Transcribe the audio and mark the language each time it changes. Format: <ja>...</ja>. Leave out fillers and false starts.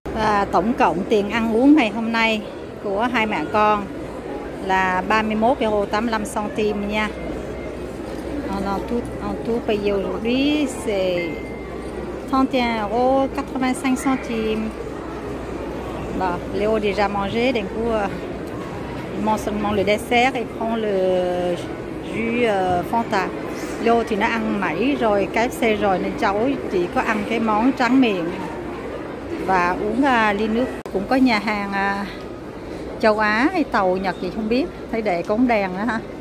<vi>Và tổng cộng tiền ăn uống ngày hôm nay của hai mẹ con là 31,85 cm nha.</vi> <fr>En tout payé aujourd'hui, c'est 31,85 €. Bon, Léo a déjà mangé, d'un coup, il mange seulement le dessert et prend le jus Fanta.</fr> <vi>Léo,</vi> <fr>tu n'as</fr> <vi>ăn mấy rồi, KFC rồi, nên cháu chỉ có ăn cái món tráng miệng và uống ly nước. Cũng có nhà hàng châu Á hay tàu Nhật gì không biết, thấy để cống đèn đó ha.</vi>